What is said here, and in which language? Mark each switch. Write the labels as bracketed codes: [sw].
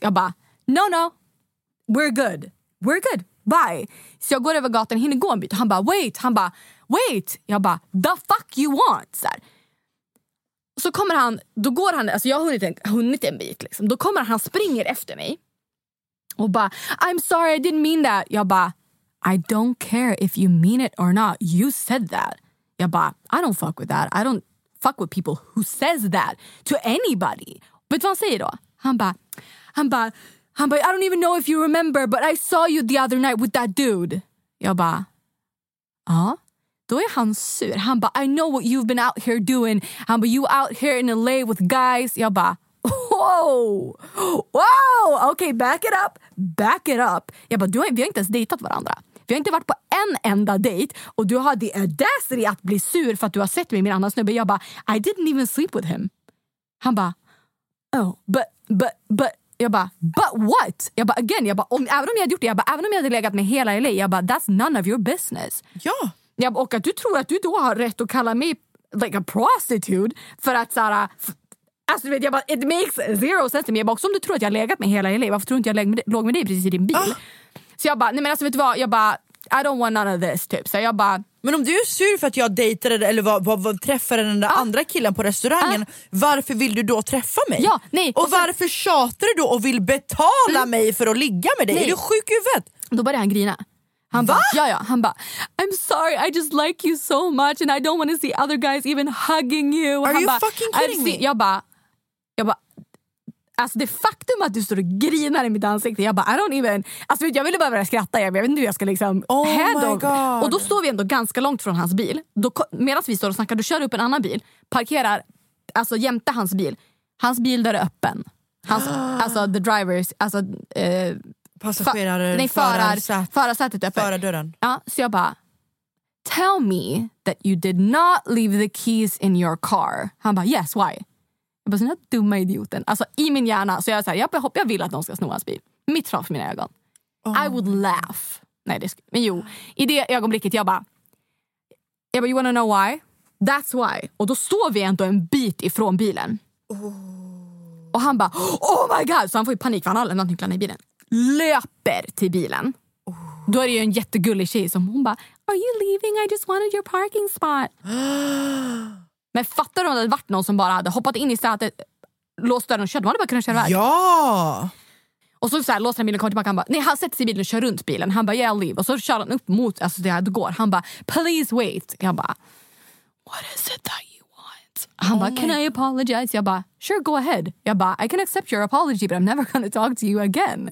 [sv] Jag bara, [en] no, we're good, bye. [sv] Så jag går över gatan, hinner gå en bit. Han bara, [en] wait. [sv] Jag bara, [en] the fuck you want? [sv] Så här. så kommer han, då går han, alltså jag har hunnit en bit liksom. Då kommer han springer efter mig och bara, [en] I'm sorry, I didn't mean that. [sv] Jag bara, [en] I don't care if you mean it or not, you said that. [sv] Jag bara, [en] I don't fuck with that. I don't fuck with people who says that to anybody. [sv] Vet du vad han säger då? Han bara, [en] I don't even know if you remember, but I saw you the other night with that dude. [sv] Jag bara, ja. Då är han sur. Han bara, [en] I know what you've been out here doing. [sv] Han bara, [en] you out here in LA with guys. [sv] Jag bara, [en] whoa. Okay, back it up. [sv] Jag bara, vi har inte ens dejtat varandra. Vi har inte varit på en enda dejt. Och du har [en] the audacity [sv] att bli sur för att du har sett mig med en annan snubbe. Jag bara, [en] I didn't even sleep with him. [sv] Han bara, [en] oh, but. [sv] Jag bara, [en] but what? [sv] Jag bara, again. Jag bara, även om jag hade gjort det. Jag bara, även om jag hade legat med hela LA. Jag bara, [en] that's none of your business. [sv] Ja. Jag bara, och att du tror att du då har rätt att kalla mig [en] like a prostitute. [sv] För att såhär, alltså du vet, jag bara, [en] it makes zero sense. [sv] Men jag bara, också om du tror att jag har legat med hela LA. Varför tror inte jag låg med dig precis i din bil? Så jag bara, nej men alltså vet du vad? Jag bara, [en] I don't want none of this [sv] typ. Så jag bara, men om du är sur för att jag dejtade eller var träffade den där andra killen på restaurangen, varför vill du då träffa mig? Ja, nej. Och varför tjatar du då och vill betala mig för att ligga med dig? Nej. Är du sjuk i huvudet? Då började han grina. Han han bara, [en] I'm sorry, I just like you so much and I don't want to see other guys even hugging you. Are you fucking kidding me? [sv] Alltså det faktum att du står och grinar i mitt ansikte. Jag bara, [en] I don't even. [sv] Alltså jag ville bara börja skratta. Jag vet inte hur jag ska liksom. [en] Oh my god. [sv] Och då står vi ändå ganska långt från hans bil. Medan vi står och snackar, då kör upp en annan bil. Parkerar, alltså jämte hans bil. Hans bil där är öppen. Alltså [en] the drivers. [sv] Alltså passagerare. Förarsätet är öppen. Förardörren. Ja, så jag bara, [en] tell me that you did not leave the keys in your car. [sv] Han bara, [en] yes, why? [sv] Jag bara, den här dumma idioten. Alltså i min hjärna. Så jag är så här, jag vill att de ska sno hans bil. Mitt framför mina ögon. [en] Oh. I would laugh. [sv] Nej, det men jo. I det ögonblicket, jag bara, [en] you wanna know why? That's why. [sv] Och då står vi ändå en bit ifrån bilen. Oh. Och han bara, [en] oh my god. [sv] Så han får ju panik för han har lämnat nycklarna i bilen. Löper till bilen. Oh. Då är det ju en jättegullig tjej som hon bara, [en] are you leaving? I just wanted your parking spot. [sv] Men fattar du om det hade varit någon som bara hade hoppat in i sätet, låst dörren och kört? Man hade bara kunnat köra iväg. Ja! Och så låst han bilen och kom tillbaka. Han bara, nej, han sätter sig i bilen och kör runt bilen. Han bara, [en] yeah, I'll leave. [sv] Och så kör han upp mot, alltså det här, det går. Han bara, [en] please wait. [sv] Jag bara, [en] what is it that you want? [sv] Han bara, [en] can I apologize? [sv] Jag bara, [en] sure, go ahead. [sv] Jag bara, [en] I can accept your apology, but I'm never gonna talk to you again.